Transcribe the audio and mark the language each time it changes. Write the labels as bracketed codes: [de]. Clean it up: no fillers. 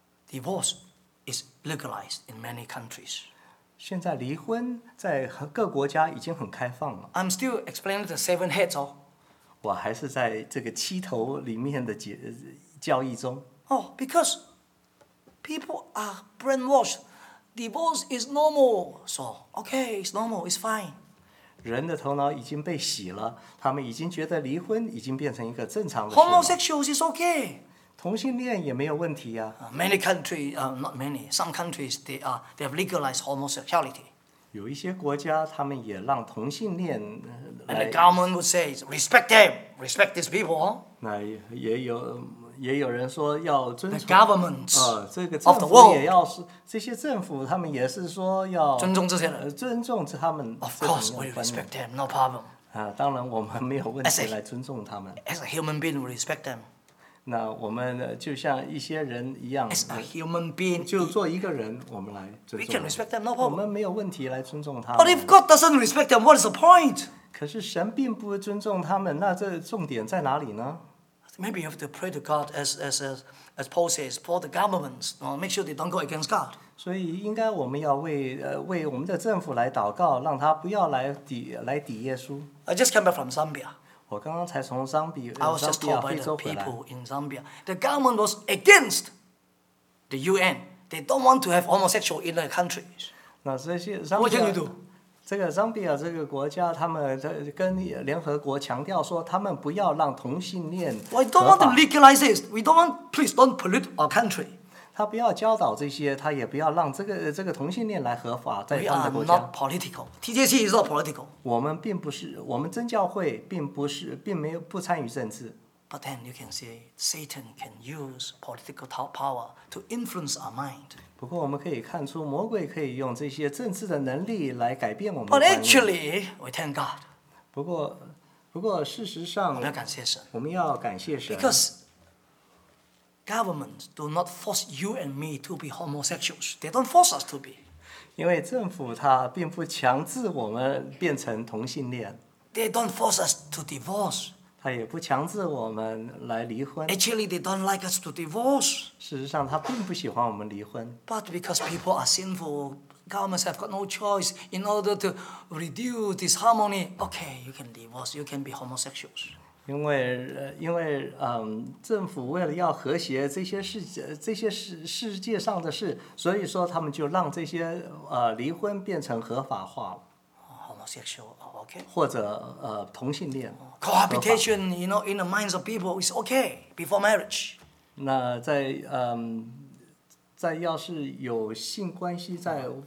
[en] Divorce is legalized in many countries。 [zh] 现在离婚在各国家已经很开放了。 [en] I'm still explaining the seven heads 哦。 [zh] 我还是在这个七头里面的教义中。 [en] Oh, because people are brainwashed. Divorce is normal, so okay, it's normal, it's fine. [zh] 人的头脑已经被洗了，他们已经觉得离婚已经变成一个正常的事了。 [en] Homosexuals is okay. [zh] 同性恋也没有问题啊。 [en] Many countries, not many, some countries they have legalized homosexuality. [zh] 有一些国家他们也让同性恋来。 [en] And the government would say, respect them, respect these people. [zh] 那也有人说要尊重 [en] the governments、 [zh] 这个政府也要 [en] of the world. [zh] 这些政府他们也是说要尊重这些人、尊重他们 [en] of course we respect them no problem、 [zh] 当然我们没有问题来尊重他们 [en] as a human being we respect them [zh] 那我们就像一些人一样 [en] as a human being [zh] 就做一个人我们来尊重 [en] we can respect them no problem [zh] 我们没有问题来尊重他们 [en] but if God doesn't respect them what is the point [zh] 可是神并不尊重他们那这重点在哪里呢 [en] Maybe you have to pray to God as Paul says for the governments, make sure they don't go against God. [zh] 所以应该我们要为我们的政府来祷告，让他不要来抵耶稣。 [en] I just came back from Zambia. [zh] 我刚刚才从桑比亚非洲回来。 [en] I was just told by the people in Zambia, the government was against the UN. They don't want to have homosexual in their countries. [zh] 那这些桑比亚。 [en] What can you do? [zh] 这个桑比亚这个国家，他们跟联合国强调说，他们不要让同性恋合法。 [en] We don't want to legalize this. We don't want, please don't pollute our country. [zh] 他不要教导这些，他也不要让这个同性恋来合法在他们的国家。 [en] We are not political. TJC is not political. [zh] 我们并不是，我们真教会并不是，并没有不参与政治。 [en] But then you can see Satan can use political power to influence our mind. [zh] 不过我们可以看出，魔鬼可以用这些政治的能力来改变我们。 [en] But actually, we thank God. [zh] 不过事实上，我们要感谢神。我们要感谢神。 [en] Because governments do not force you and me to be homosexuals. They don't force us to be. [zh] 因为政府它并不强制我们变成同性恋。 [en] They don't force us to divorce. [zh] 他也不强制我们来离婚。 [en] Actually, they don't like us to divorce. [zh] 事实上，他并不喜欢我们离婚。 [en] But because people are sinful, governments have got no choice in order to reduce disharmony. Okay, you can divorce. You can be homosexuals. [zh] 因为政府为了要和谐这些世界上的事，所以说他们就让这些离婚变成合法化了。 [en] Homosexual, okay. [zh] 或者同性恋。 [en] Cohabitation, you know, in the minds of people is okay before marriage. [zh] 那在在要是有性关系在